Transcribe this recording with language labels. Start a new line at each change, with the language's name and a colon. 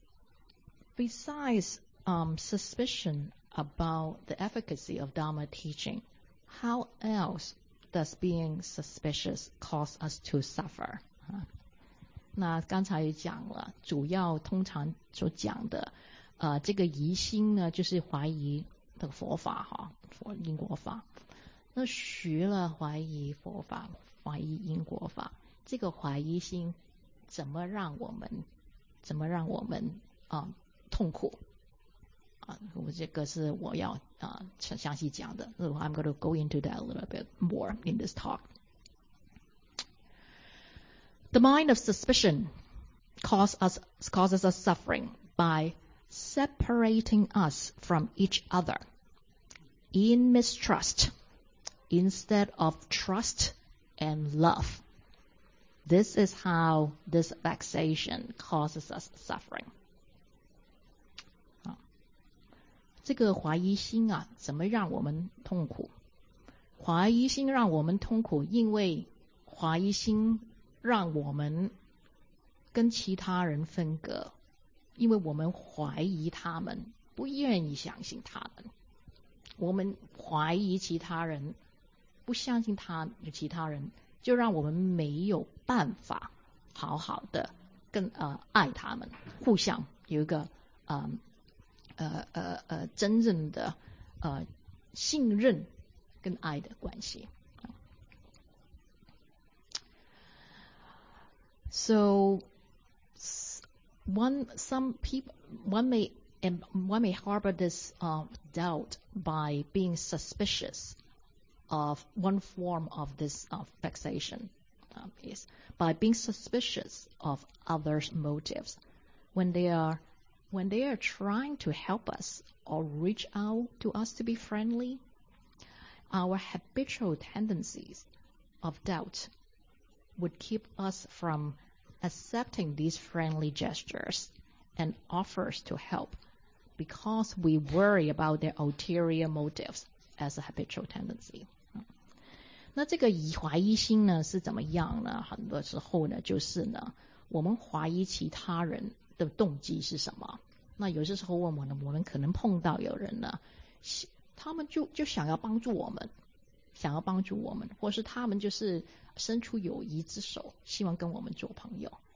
English: So besides suspicion about the efficacy of Dharma teaching, how else does being suspicious cause us to suffer?
Chinese: 那刚才也讲了，主要通常所讲的，这个疑心呢，就是怀疑的佛法哈，佛因果法。那学了怀疑佛法，怀疑因果法，这个怀疑心怎么让我们，怎么让我们啊痛苦啊？我这个是我要啊详细讲的。
English: So I'm going to go into that a little bit more in this talk. The mind of suspicion causes us suffering by separating us from each other. In mistrust. Instead of trust and love. This is how this vexation causes us suffering.
Chinese: 这个怀疑心啊，怎么让我们痛苦？怀疑心让我们痛苦，因为怀疑心让我们跟其他人分隔，因为我们怀疑他们，不愿意相信他们。我们怀疑其他人不相信他，其他人就让我们没有办法好好的跟爱他们，互相有一个真正的信任跟爱的关系。
English: So one may harbor this doubt by being suspicious. Of one form of this vexation is by being suspicious of others' motives when they are trying to help us or reach out to us to be friendly. Our habitual tendencies of doubt would keep us from accepting these friendly gestures and offers to help because we worry about their ulterior motives as a habitual tendency.
Chinese: 那这个怀疑心呢是怎么样呢？很多时候呢，就是呢，我们怀疑其他人的动机是什么。那有些时候问我呢，我们可能碰到有人呢，他们就想要帮助我们，想要帮助我们，或是他们就是伸出友谊之手，希望跟我们做朋友。